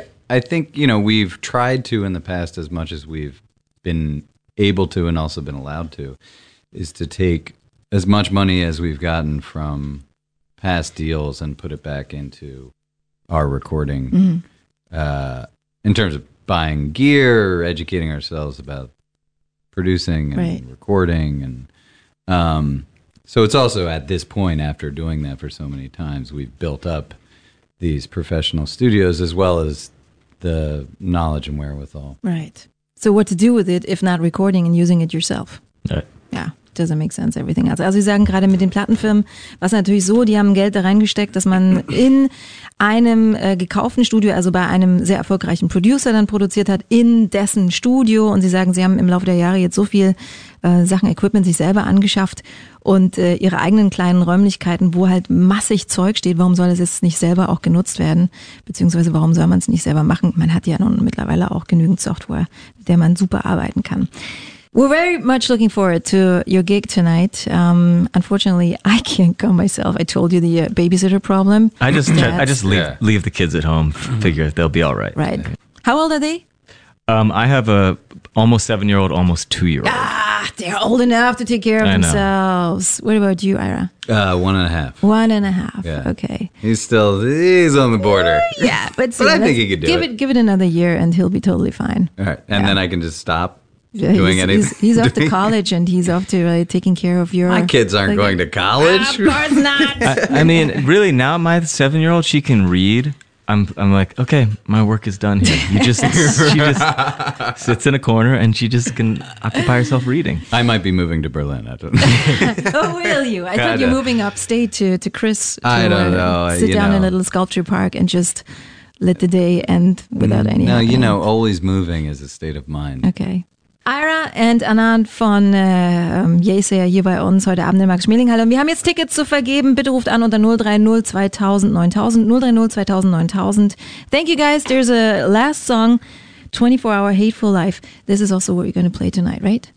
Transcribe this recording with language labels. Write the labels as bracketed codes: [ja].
[en] I think, you know, we've tried to in the past as much as we've been able to and also been allowed to, is to take as much money as we've gotten from past deals and put it back into our recording in terms of buying gear, educating ourselves about producing and recording. And so it's also at this point, after doing that for so many times, we've built up these professional studios as well as the knowledge and wherewithal. Right. So what to do with it if not recording and using it yourself? Right. Yeah. Doesn't make sense, everything else. [de] Also Sie sagen gerade mit den Plattenfirmen, was natürlich so, die haben Geld da reingesteckt, dass man in einem gekauften Studio, also bei einem sehr erfolgreichen Producer dann produziert hat, in dessen Studio. Und Sie sagen, Sie haben im Laufe der Jahre jetzt so viel Sachen, Equipment sich selber angeschafft und Ihre eigenen kleinen Räumlichkeiten, wo halt massig Zeug steht, warum soll es jetzt nicht selber auch genutzt werden? Beziehungsweise warum soll man es nicht selber machen? Man hat ja nun mittlerweile auch genügend Software, mit der man super arbeiten kann. [en] We're very much looking forward to your gig tonight. Unfortunately, I can't go myself. I told you the babysitter problem. I just leave the kids at home, figure they'll be all right. Right. How old are they? I have a almost 7-year-old, almost 2-year-old. Ah, they're old enough to take care of themselves. What about you, Ira? 1.5. 1.5. Yeah. Okay. He's on the border. But I think he could do it. Give it another year and he'll be totally fine. All right. And then I can just stop. Yeah, doing he's, anything? He's off to college and he's off to taking care of your... My kids aren't going to college. Of course not. I mean, really, now my 7-year-old, she can read. I'm like, okay, my work is done here. She just sits in a corner and she just can occupy herself reading. I might be moving to Berlin. I don't know. Oh, will you? I thought you're moving upstate to Chris. I don't know. Sit down in a little sculpture park and just... let the day end without any... No, you know, always moving is a state of mind. Okay. [de] Ira und Anand von Yeseya hier bei uns heute Abend in Max Schmelinghalle. Und wir haben jetzt Tickets zu vergeben. Bitte ruft an unter 030-2000-9000. [en] Thank you guys. There's a last song, 24-Hour Hateful Life. This is also what we're going to play tonight, right?